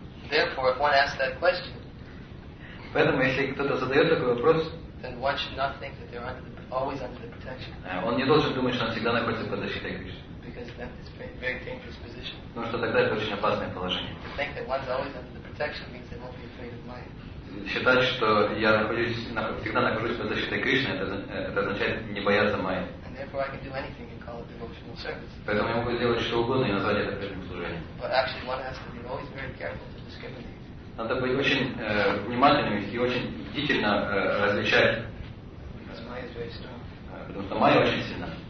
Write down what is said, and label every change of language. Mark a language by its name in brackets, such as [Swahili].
[English] Therefore, if one asks that question, [Russian] поэтому если кто-то задает такой вопрос, [English] then one should not think that they're under the, always under the protection. [Russian] Он не должен думать, что он всегда находится под защитой Кришны. [English] Because that is a very dangerous position. [Russian] Потому что тогда это очень опасное положение. [English] To think that one's always under the protection means they won't be afraid of Maya. [Russian] Считать, что я всегда нахожусь под защитой Кришны, это означает не бояться Майи. [English] And therefore I can do anything and call it devotional service. [Russian] Поэтому я могу сделать что угодно и назвать это преданным служением. [English] But actually one has to be always very careful to discriminate. [Russian] Надо быть очень внимательным и очень бдительно различать. [English] Because Maya is very strong. [Russian] Потому что Майя очень сильна.